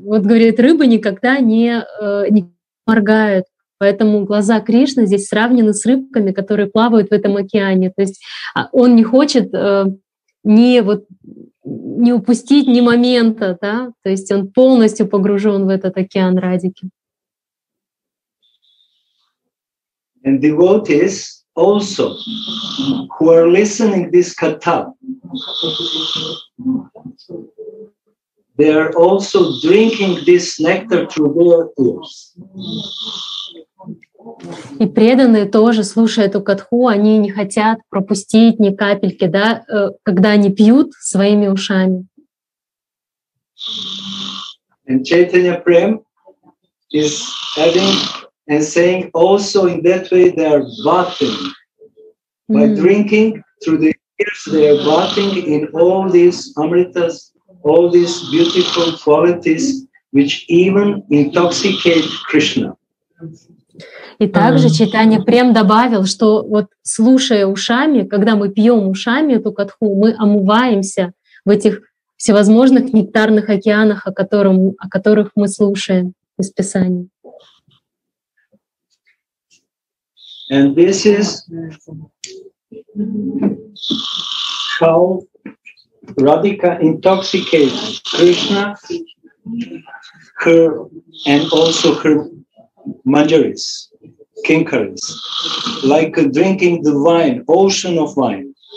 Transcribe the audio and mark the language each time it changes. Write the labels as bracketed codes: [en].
[ru] Вот говорит, рыбы никогда не моргают. Поэтому глаза Кришны здесь сравнены с рыбками, которые плавают в этом океане. То есть он не хочет не упустить ни момента, да? То есть он полностью погружен в этот океан Радики. [en] And devotees also who are listening this katha, they are also drinking this nectar through their tears. [ru] И преданные тоже, слушая эту катху, они не хотят пропустить ни капельки, да, когда они пьют своими ушами. [en] And Chaitanya Prem is adding and saying also in that way they are bathing. By drinking through the ears, they are bathing in all these amritas, all these beautiful qualities, which even intoxicate Krishna. [ru] И также Чайтанья Прем добавил, что вот слушая ушами, когда мы пьем ушами эту катху, мы омываемся в этих всевозможных нектарных океанах, о которых мы слушаем из Писания. [en] And this is how Radhika intoxicates Krishna, her, and also her manjaris, kinkaris, like drinking the wine, ocean of wine.